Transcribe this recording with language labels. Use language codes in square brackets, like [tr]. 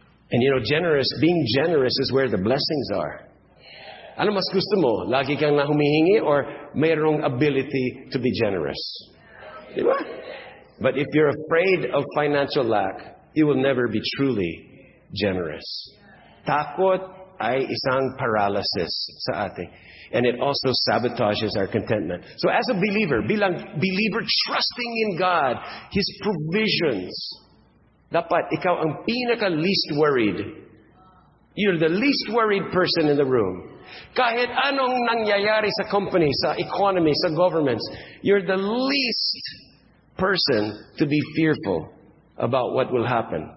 [en] And you know, being generous is where the blessings are. [tl] Ano mas gusto mo? Lagi kang nahumihingi or mayroong ability to be generous? Di ba? [en] But if you're afraid of financial lack, you will never be truly generous. [tl] Takot ay isang paralysis sa atin. [en] And it also sabotages our contentment. So as a believer, [tl] bilang believer [en] trusting in God, His provisions, [tl] dapat ikaw ang pinaka [en] least worried. You're the least worried person in the room. [tl] Kahit anong nangyayari sa company, sa economy, sa governments, [en] you're the least person to be fearful about what will happen.